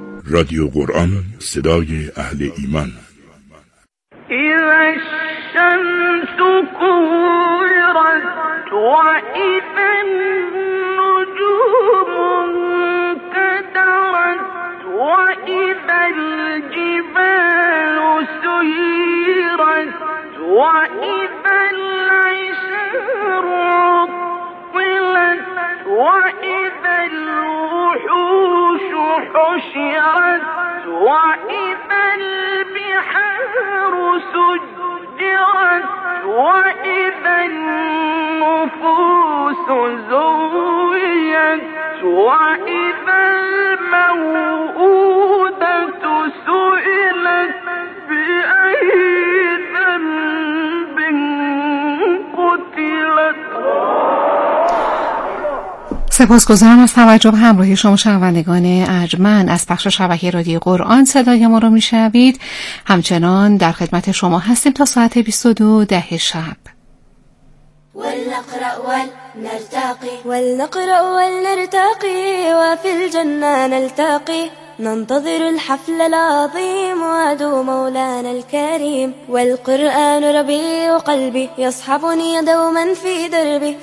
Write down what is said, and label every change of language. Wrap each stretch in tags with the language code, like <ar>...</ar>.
<fa>رادیو قرآن، صدای اهل ایمان.</fa> <ar>اذا الشمس كورت و اذا النجوم انكدرت و اذا الجبال سيرت و اذا العشار عطلت و اذا الوحوش حشرت وَإِذَا الْبِحَارُ سُجِّرَتْ وَإِذَا النُّفُوسُ زُوِّجَتْ وَإِذَا الْمَوْءُودَةُ سُئِلَتْ بِأَيِّ ذَنبٍ قُتِلَتْ.</ar> <fa>سپاسگزارم از توجه و همراهی شما شنوندگان ارجمند. از پخش شبکه رادیو قرآن صدای ما رو میشنوید. همچنان در خدمت شما هستیم تا ساعت 22:10 شب.</fa> <ar>ولنقرأ ولنرتقي وفي الجنة نلتقي ننتظر الحفل العظيم وادو مولانا الكريم والقرآن ربي وقلبي يصحبني دوما في دربي</ar>